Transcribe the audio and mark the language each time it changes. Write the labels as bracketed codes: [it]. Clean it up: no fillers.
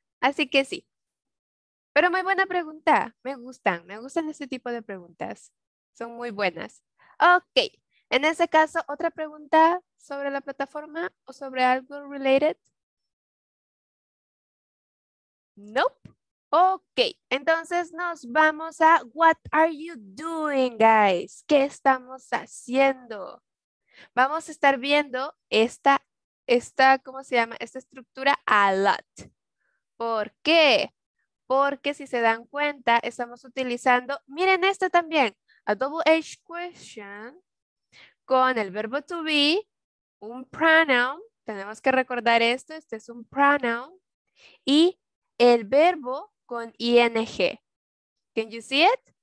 [es] Así que sí. Pero muy buena pregunta. Me gustan este tipo de preguntas. Son muy buenas. Ok. En ese caso, ¿otra pregunta sobre la plataforma o sobre algo [en] related? Nope. Ok. [es] Entonces nos vamos a [en] what are you doing, guys? [es] ¿Qué estamos haciendo? Vamos a estar viendo esta, ¿cómo se llama? Esta estructura [en] a lot. [es] ¿Por qué? Porque si se dan cuenta, estamos utilizando, miren esto también, [en] a double H question [es] con el verbo to be, un pronoun, tenemos que recordar esto, este es un pronoun, y el verbo con ing. [en] Can you see it?